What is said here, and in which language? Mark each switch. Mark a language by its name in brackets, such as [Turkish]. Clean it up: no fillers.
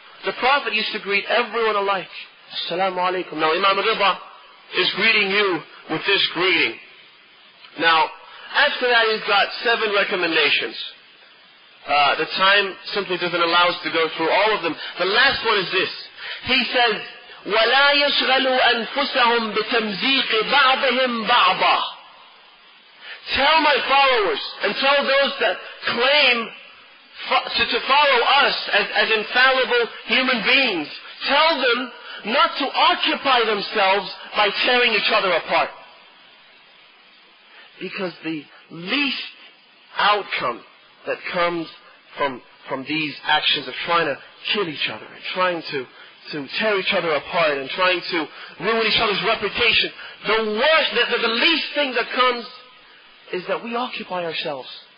[English] The Prophet used to greet everyone alike. As-salamu alaykum. Now Imam al-Ridha is greeting you with this greeting. Now, after that, he's got seven recommendations. The time simply doesn't allow us to go through all of them. The last one is this. He says, [Arabic] وَلَا يَشْغَلُوا أَنفُسَهُمْ بِتَمْزِيقِ بَعْضِهِمْ بَعْضًا. [English] Tell my followers, and tell those that claim to follow us as infallible human beings, tell them not to occupy themselves by tearing each other apart. Because the least outcome that comes from these actions of trying to kill each other, and trying to tear each other apart, and trying to ruin each other's reputation, the worst, the least thing that comes is that we occupy ourselves.